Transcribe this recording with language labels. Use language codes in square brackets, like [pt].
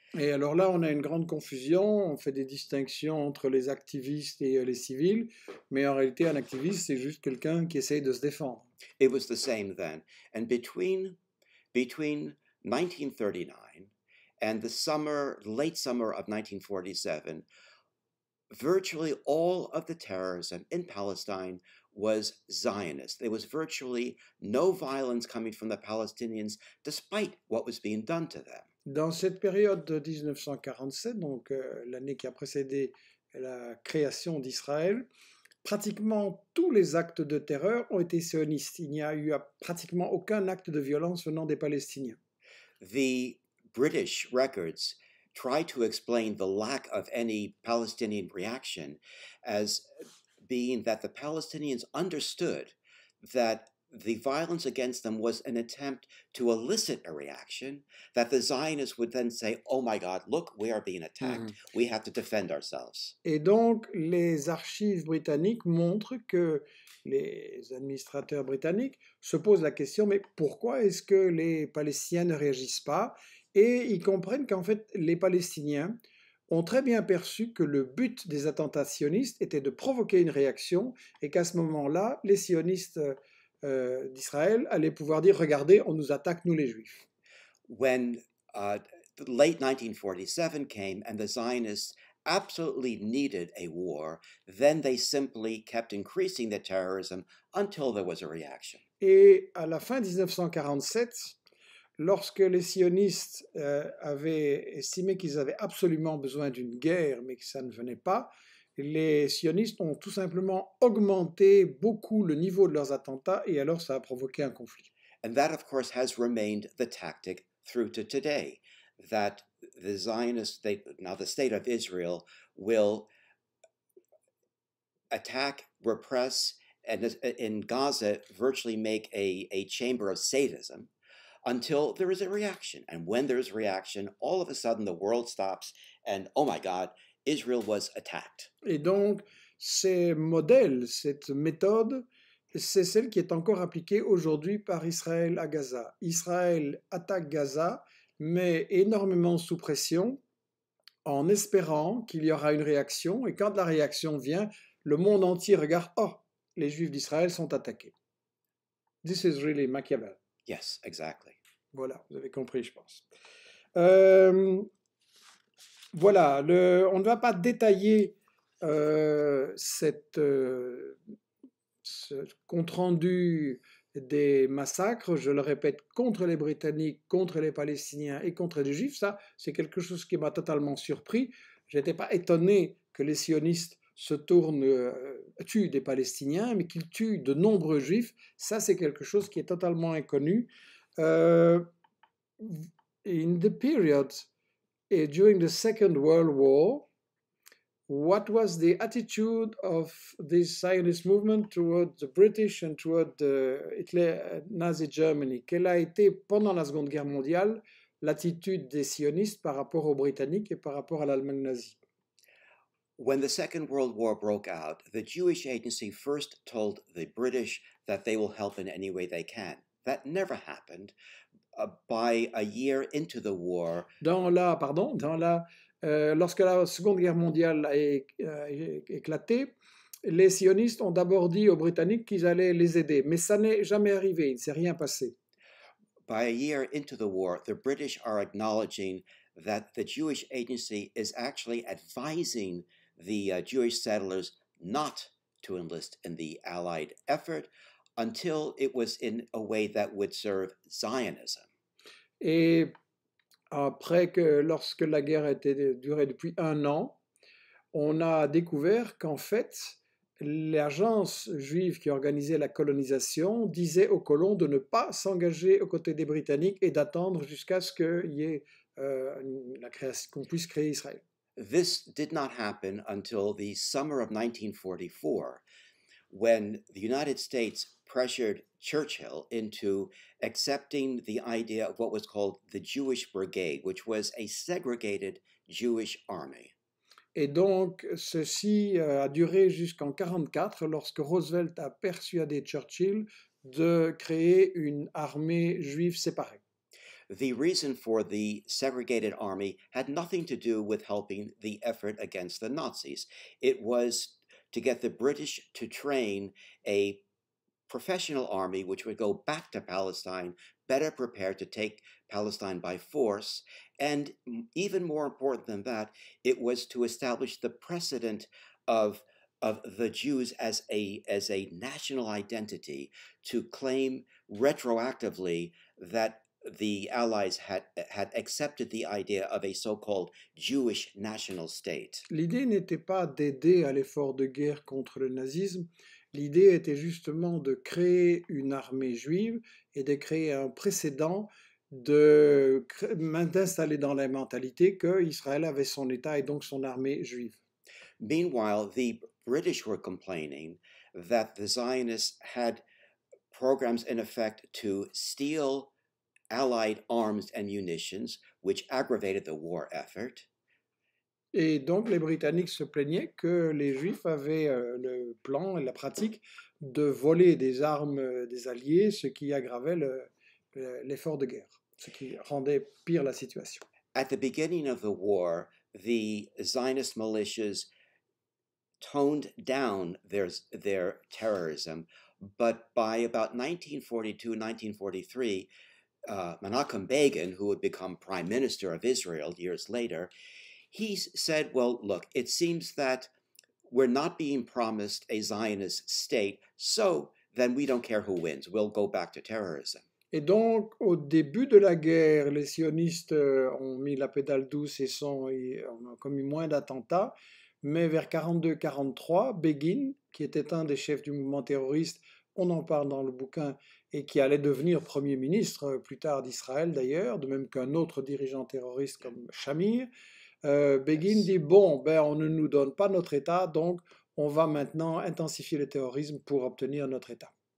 [fr] Et alors là, on a une grande confusion, on fait des distinctions entre les activistes et les civils, mais en réalité, un activiste, c'est juste quelqu'un qui essaye de se défendre. [en] It was the same then. And between 1939 and the summer, late summer of 1947, virtually all of the terrorism in Palestine was Zionist. There was virtually no violence coming from the Palestinians despite what was being done to them. [fr] Dans cette période de 1947, donc l'année qui a précédé la création d'Israël, pratiquement tous les actes de terreur ont été sionistes. Il n'y a eu pratiquement aucun acte de violence venant des Palestiniens. [en] The British records try to explain the lack of any Palestinian reaction as being that the Palestinians understood that the violence against them was an attempt to elicit a reaction, that the Zionists would then say, oh my God, look, we are being attacked, we have to defend ourselves. [fr] Et donc, les archives britanniques montrent que les administrateurs britanniques se posent la question, mais pourquoi est-ce que les Palestiniens ne réagissent pas? Et ils comprennent qu'en fait, les Palestiniens ont très bien perçu que le but des attentats sionistes était de provoquer une réaction et qu'à ce moment-là, les sionistes d'Israël allaient pouvoir dire « Regardez, on nous attaque, nous les Juifs. » [en] When The late 1947 came, and the Zionists absolutely needed a war. Then they simply kept increasing the terrorism until there was a reaction. [fr] Et à la fin 1947, lorsque les sionistes avaient estimé qu'ils avaient absolument besoin d'une guerre, mais que ça ne venait pas, les sionistes ont tout simplement augmenté beaucoup le niveau de leurs attentats, et alors ça a provoqué un conflit. [en] And that, of course, has remained the tactic through to today, that the Zionist state, now the state of Israel, will attack, repress, and in Gaza virtually make a chamber of sadism until there is a reaction. And when there is a reaction, all of a sudden the world stops and, oh my God, Israel was attacked. [fr] Et donc, ces modèles, cette méthode, c'est celle qui est encore appliquée aujourd'hui par Israël à Gaza. Israël attaque Gaza, mais énormément sous pression, en espérant qu'il y aura une réaction. Et quand la réaction vient, le monde entier regarde, oh, les Juifs d'Israël sont attaqués. [en] This is really Machiavel. Yes, exactly. [fr] Voilà, vous avez compris, je pense. Voilà, on ne va pas détailler ce compte-rendu des massacres, je le répète, contre les Britanniques, contre les Palestiniens et contre les Juifs. Ça, c'est quelque chose qui m'a totalement surpris. Je n'étais pas étonné que les sionistes se tournent, tuent des Palestiniens, mais qu'ils tuent de nombreux Juifs. Ça, c'est quelque chose qui est totalement inconnu. [en] In the period during the Second World War, what was the attitude of this Zionist movement toward the British and toward the Hitler, Nazi Germany? [fr] Quelle a été, pendant la Seconde Guerre mondiale, l'attitude des sionistes par rapport aux Britanniques et par rapport à l'Allemagne nazie? [en] When the Second World War broke out, the Jewish Agency first told the British that they will help in any way they can. That never happened. By a year into the war... [fr] Lorsque la Seconde Guerre mondiale a éclaté, les sionistes ont d'abord dit aux Britanniques qu'ils allaient les aider, mais ça n'est jamais arrivé, il ne s'est rien passé. [en] By a year into the war, the British are acknowledging that the Jewish agency is actually advising the Jewish settlers not to enlist in the Allied effort until it was in a way that would serve Zionism. [fr] Et après que, lorsque la guerre était durée depuis un an, on a découvert qu'en fait, l'agence juive qui organisait la colonisation disait aux colons de ne pas s'engager aux côtés des Britanniques et d'attendre jusqu'à ce qu'il y ait la création, qu'on puisse créer Israël. [en] This did not happen until the summer of 1944, when the United States pressured Churchill into accepting the idea of what was called the Jewish Brigade, which was a segregated Jewish army. [fr] Et donc, ceci a duré jusqu'en 1944, lorsque Roosevelt a persuadé Churchill de créer une armée juive séparée. [en] The reason for the segregated army had nothing to do with helping the effort against the Nazis. It was to get the British to train a professional army which would go back to Palestine, better prepared to take Palestine by force, and even more important than that, it was to establish the precedent of the Jews as a national identity, to claim retroactively that the Allies had accepted the idea of a so-called Jewish national state. [fr] L'idée n'était pas d'aider à l'effort de guerre contre le nazisme. L'idée était justement de créer une armée juive et de créer un précédent, d'installer dans la mentalité qu'Israël avait son État et donc son armée juive. [en] Meanwhile, the British were complaining that the Zionists had programs in effect to steal Allied arms and munitions, which aggravated the war effort. [fr] Et donc les Britanniques se plaignaient que les Juifs avaient le plan et la pratique de voler des armes des Alliés, ce qui aggravait l'effort de guerre, ce qui rendait pire la situation. [en] At the beginning of the war, the Zionist militias toned down their terrorism, but by about 1942-1943, Menachem Begin, who would become prime minister of Israel years later, he said, well, look, it seems that we're not being promised a Zionist state, so then we don't care who wins. We'll go back to terrorism. [fr] Et donc, au début de la guerre, les sionistes ont mis la pédale douce et ont commis moins d'attentats. Mais vers 42-43, Begin, qui était un des chefs du mouvement terroriste, on en parle dans le bouquin, et qui allait devenir premier ministre plus tard d'Israël d'ailleurs, de même qu'un autre dirigeant terroriste comme Shamir, Begin dit, bon, ben, on ne nous donne pas notre État, donc on va maintenant intensifier le terrorisme pour obtenir notre État.